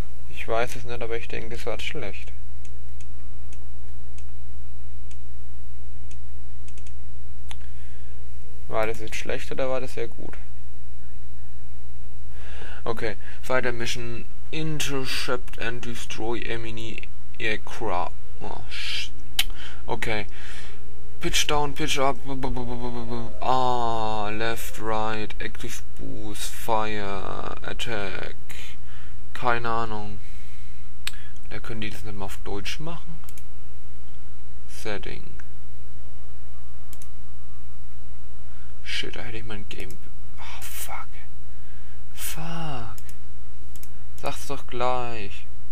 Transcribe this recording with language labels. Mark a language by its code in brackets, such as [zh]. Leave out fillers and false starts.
[de] Ich weiß es nicht, aber ich denke, das war schlecht. War das jetzt schlecht oder war das sehr gut? Okay, weiter Mission. [en] Intercept and destroy enemy aircraft. Oh, shit. Okay. Pitch down, pitch up. Ah, left, right, active boost, fire, attack. [de] Keine Ahnung. Da können die das nicht mal auf Deutsch machen. Setting. Shit, da hätte ich mein Game. Oh, fuck. Fuck. Sag's doch gleich.